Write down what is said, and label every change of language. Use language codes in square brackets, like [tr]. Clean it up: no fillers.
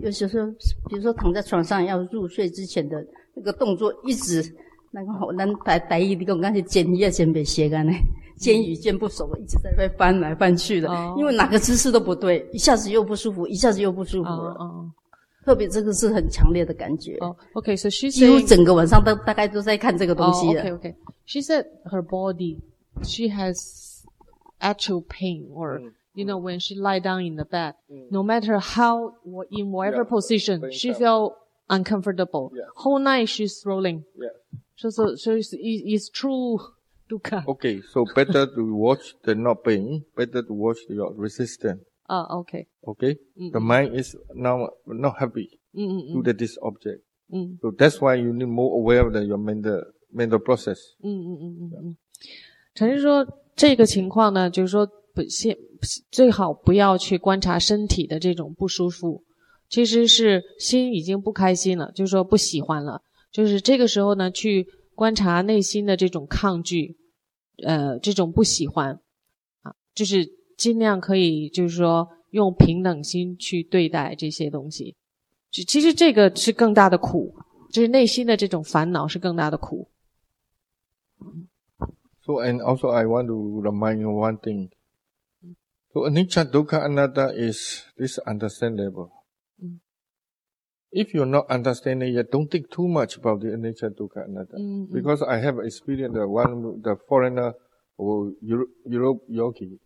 [zh] 尤其是比如说躺在床上要入睡之前的那个动作，一直那个好难待待一个，我刚才肩也肩被斜干嘞，肩与肩不熟，一直在被翻来翻去的，因为哪个姿势都不对，一下子又不舒服，一下子又不舒服了。特别这个是很强烈的感觉。 [en] OK，so she said, [zh] 几乎整个晚上大概都在看这个东西了。 [en] OK，she said her body. She has actual pain, or, you know, when she lie down in the bed, no matter how, in whatever position, she feel uncomfortable. Whole night she's rolling. So it's true dukkha. Okay, so better to watch the not pain, better to watch your resistance. Okay. Okay? The mind is now not happy to this object. So that's why you need more aware of your mental process. Yeah. [zh] 陈师说这个情况呢，就是说最好不要去观察身体的这种不舒服，其实是心已经不开心了，就是说不喜欢了，就是这个时候呢去观察内心的这种抗拒，这种不喜欢啊，就是尽量可以就是说用平等心去对待这些东西，其实这个是更大的苦，就是内心的这种烦恼是更大的苦。 [en] So, and also I want to remind you one thing. So, anicca, dukkha, anatta is this understandable. If you're not understanding yet, don't think too much about the anicca dukkha anatta. Mm-hmm. Because I have experienced that one, the foreigner or Europe yogi,